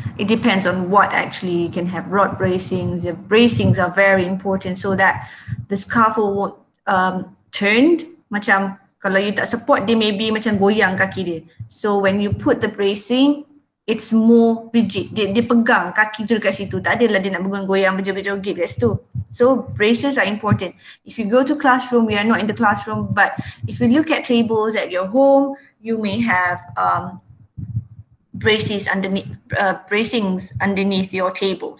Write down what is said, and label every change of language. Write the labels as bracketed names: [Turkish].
[English] It depends on what actually you can have. Rod bracings. The bracings are very important so that the scaffold won't turned. [Malay] Macam kalau you tak support dia, maybe macam goyang kaki dia. [English] So when you put the bracing, it's more rigid. [Malay] Dia pegang kaki tu dekat situ. Tak adalah dia nak goyang-goyang, berjoget-joget dekat situ. [English] So braces are important. If you go to classroom, we are not in the classroom, but if you look at tables at your home, you may have braces underneath, bracings underneath your table.